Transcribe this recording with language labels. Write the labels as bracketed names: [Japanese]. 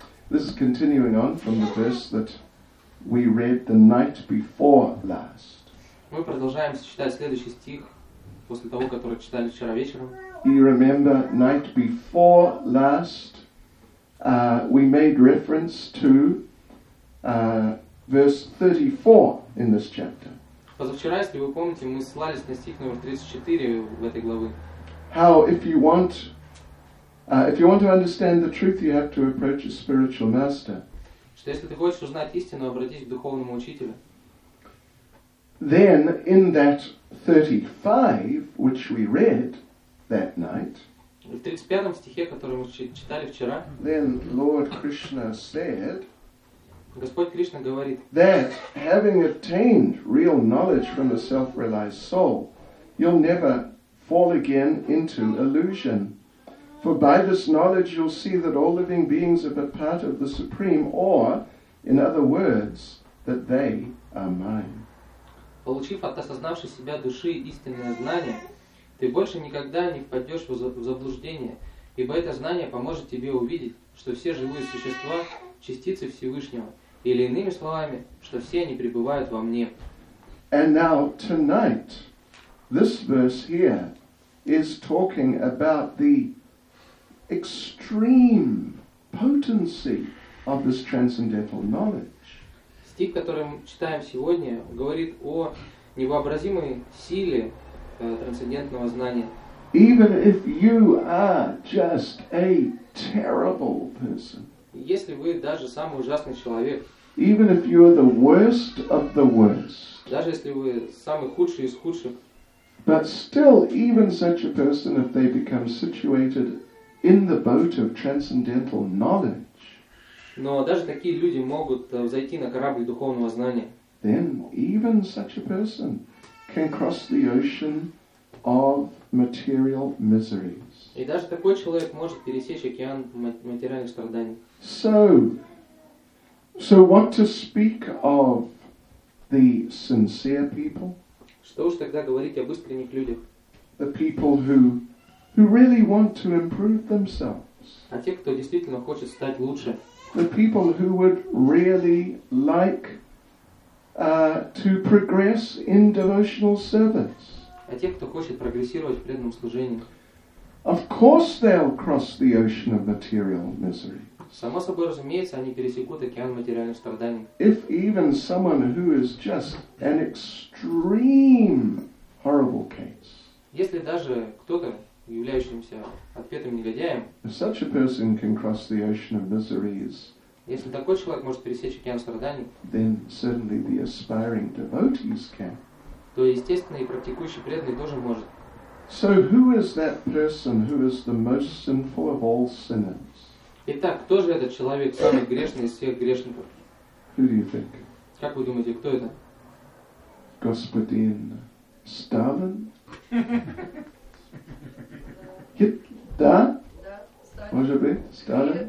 [English] This is continuing on from the verse that we read the night before last. [Russian] Мы продолжаем читать следующий стих после того, который читали вчера вечером. [English] You remember night before last? We made reference to verse 34 in this chapter. [Russian] Позавчера, если вы помните, мы ссылались на стих номер 34 в этой главе. [English] How, if you want to understand the truth, you have to approach a spiritual master. [Russian] Что если ты хочешь узнать истину, обратись к духовному учителю. [English] Then, in that 35, which we read that night. [Russian] В 35 стихе, который мы читали вчера, [English] Then Lord Krishna said, [Russian] Господь Кришна говорит, [English] that having attained real knowledge from a self-realized soul, you'll never fall again into illusion. For by this knowledge you'll see that all living beings are but part of the Supreme, or, in other words, that they are mine. [Russian] получив от осознавшей себя души истинное знание, ты больше никогда не впадешь в заблуждение, ибо это знание поможет тебе увидеть, что все живые существа – частицы Всевышнего, или иными словами, что все они пребывают во мне. [English] And now, tonight, this verse here is talking about the extreme potency of this transcendental knowledge. [Russian] Стих, который мы читаем сегодня, говорит о невообразимой силе трансцендентного знания. [English] Even if you are just a terrible person, [Russian] если вы даже самый ужасный человек, [English] even if you are the worst of the worst, [Russian] даже если вы самый худший из худших, [English] but still, even such a person, if they become situated in the boat of transcendental knowledge, [Russian] но даже такие люди могут взойти на корабль духовного знания, [English] then even such a person can cross the ocean of material miseries. [Russian] И даже такой человек может пересечь океан материальных страданий. [English] So what to speak of the sincere people? [Russian] Что уж тогда говорить об искренних людях? [English] The people who really want to improve themselves. [Russian] А те, кто действительно хочет стать лучше. [English] The people who would really like to progress in devotional service. [Russian] А те, кто хочет прогрессировать в преданном служении. [English] Of course they'll cross the ocean of material misery. [Russian] Само собой разумеется, они пересекут океан материальных страданий. [English] If even someone who is just an extreme horrible case. [Russian] Если даже кто-то, являющимся отпетым негодяем, [English] if such a person can cross the ocean of miseries, [Russian] если такой человек может пересечь океан страданий, [English] then certainly the aspiring devotees can. [Russian] То естественно и практикующий преданный тоже может. [English] So who is that person who is the most sinful of all sinners? [Russian] Итак, кто же этот человек, самый грешный из всех грешников? [English] Who do you think? [Russian] Как вы думаете, кто это? Господин Сталин? Да? Может быть, Сталин?